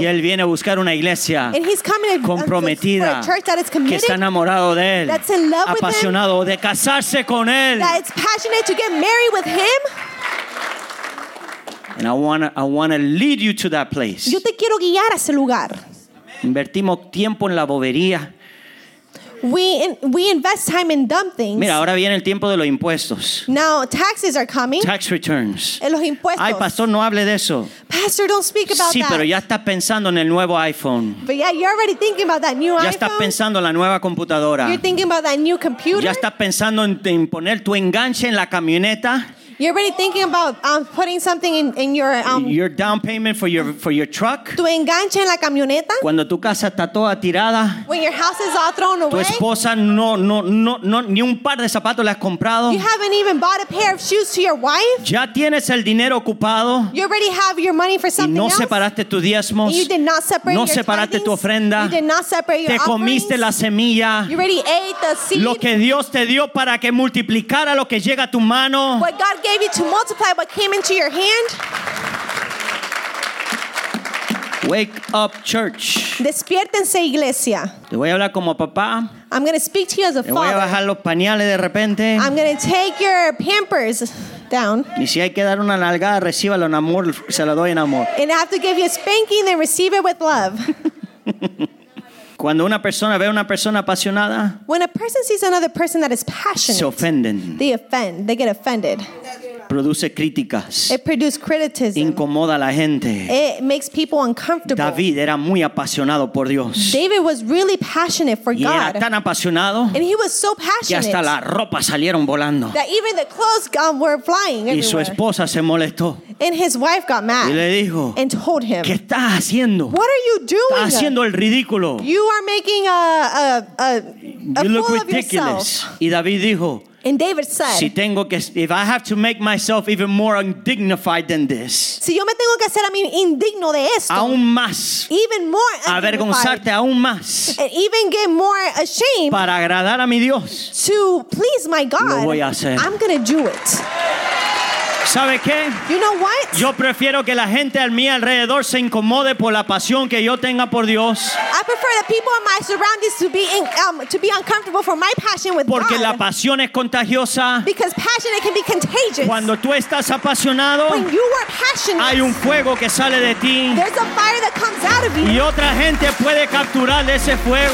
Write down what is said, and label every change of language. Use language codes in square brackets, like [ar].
[es] Y Él viene a buscar una iglesia comprometida, [en] for a church that is committed, [es] que está enamorado de Él, [en] that's in love [es] apasionado [en] with him, [es] de casarse con Él. [en] That it's passionate to get married with Him. And I want to lead you to that place. [es] Yo te quiero guiar a ese lugar. Invertimos tiempo en la bobería. [en] We invest time in dumb things. [es] Mira, ahora viene el tiempo de los impuestos. [en] Now taxes are coming. Tax returns. [es] En los impuestos. Ay, pastor, no hable de eso. [en] Pastor, don't speak about [es] sí, [en] that. [es] Sí, pero ya estás pensando en el nuevo iPhone. [en] But yeah, you're already thinking about that new [es] ya [en] iPhone. [es] Ya estás pensando en la nueva computadora. [en] You're thinking about that new computer. [es] Ya estás pensando en poner tu enganche en la camioneta. [en] You're already thinking about putting something in your down payment for your truck. [es] Tu enganche en la camioneta. Cuando tu casa está toda tirada. [en] When your house is all thrown away. [es] Tu esposa no ni un par de zapatos le has comprado. [en] You haven't even bought a pair of shoes to your wife. [es] Ya tienes el dinero ocupado. [en] You already have your money for something else. [es] No separaste tus diezmos. [en] You did not separate your tithings. [es] No separaste tu ofrenda. [en] You did not separate your offerings. [es] Te comiste la semilla. [en] You already ate the seed. [es] Lo que Dios te dio para que multiplicara lo que llega a tu mano. [en] What God gave you to multiply what came into your hand. Wake up, church. [es] Despiértense, iglesia. Te voy a hablar como papá. [en] I'm going to speak to you as a father. [es] Te voy a bajar los pañales de repente. [en] I'm going to take your pampers down. [es] Y si hay que dar una nalgada, recíbalo en amor, se la doy en amor. [en] And I have to give you a spanking, then receive it with love. [es] Cuando una persona ve a una persona apasionada, [en] when a person sees another person that is passionate, [es] se ofenden. [en] They offend. They get offended. [es] Produce críticas. [en] It produces criticism. [es] Incomoda a la gente. [en] It makes people uncomfortable. [es] David era muy apasionado por Dios. [en] David was really passionate for [es] y [en] God. [es] Y era tan apasionado. [en] And he was so passionate. [es] Que hasta la ropa salieron volando. [en] That even the clothes were flying everywhere. [es] Y su esposa se molestó. [en] And his wife got mad. [es] Y le dijo, [en] and told him, [es] ¿qué estás haciendo? [en] What are you doing? [es] Estás haciendo el ridículo. [en] You are making a you look fool ridiculous. Of yourself. [es] Y David dijo, [en] and David said, [es] si tengo que, [en] if I have to make myself even more undignified than this, [es] si yo me tengo que hacer a mí indigno de esto, aún más, [en] even more undignified, [es] avergonzarte aún más, [en] and even get more ashamed, [es] para agradar a mi Dios, [en] to please my God, [es] lo voy a hacer. [en] I'm going to do it. [es] ¿Sabe qué? [en] You know what? [es] Yo prefiero que la gente a mi alrededor se incomode por la pasión que yo tenga por Dios. [en] I prefer the people in my surroundings to be uncomfortable for my passion with [es] porque Porque la pasión es contagiosa. [en] Because passion, it can be contagious. [es] Cuando tú estás apasionado, [en] when you are passionate, [es] hay un fuego que sale de ti. [en] There's a fire that comes out of you. [es] Y otra gente puede capturar ese fuego.